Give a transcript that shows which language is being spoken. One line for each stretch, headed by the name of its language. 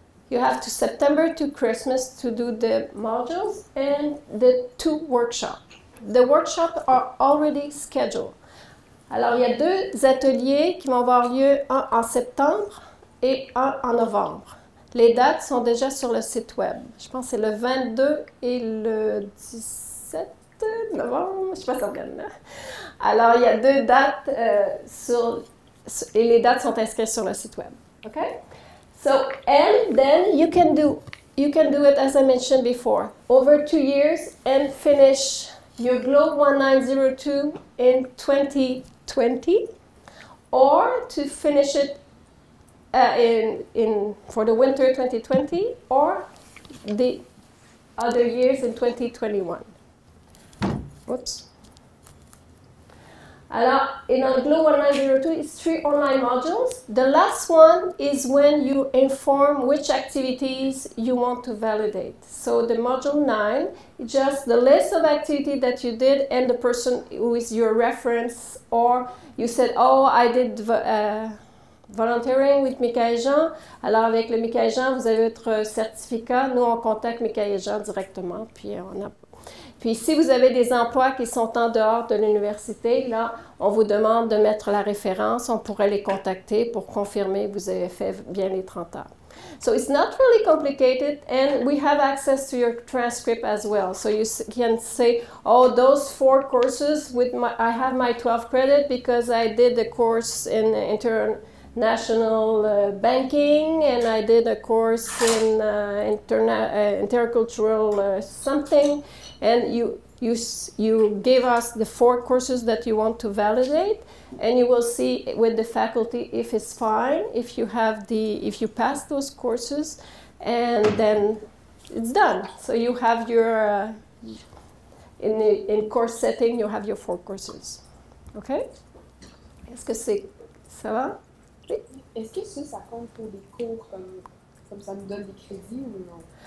English: You have to September to Christmas to do the modules and the 2 workshops. The workshops are already scheduled.
French: Alors, il y a 2 ateliers qui vont avoir lieu, un en septembre et un en novembre. Les dates sont déjà sur le site web. Je pense que c'est le 22 et le 17. Novembre, je ne sais pas si on regarde. Alors, il y a 2 dates et les dates sont inscrites sur le site web. OK?
English: So, and then you can do it as I mentioned before, over 2 years and finish your GLO 1902 in 2020 or to finish it for the winter 2020 or the other years in 2021. Oops.
French: Alors, et dans le Global 902,
English: it's three online modules. The last one is when you inform which activities you want to validate. So the module 9, just the list of activity that you did and the person who is your reference, or you said, oh, I did volunteering with Mickaël Jean.
French: Alors avec le Mickaël Jean, vous avez votre certificat. Nous, on contacte Mickaël Jean directement, puis on a... Puis, si vous avez des emplois qui sont en dehors de l'université, là, on vous demande de mettre la référence. On pourrait les contacter pour confirmer que vous avez fait bien les 30 heures.
English: So, it's not really complicated, and we have access to your transcript as well. So, you can say, oh, those four courses, with my, I have my 12 credit because I did a course in international banking, and I did a course in intercultural something. And you give us the four courses that you want to validate, and you will see with the faculty if it's fine, if you have the, if you pass those courses, and then it's done. So you have your in course setting, you have your four courses.
French: Okay? Est-ce que c'est ça va? Oui. Est-ce que ça compte pour des cours comme ça nous donne des crédits ou non?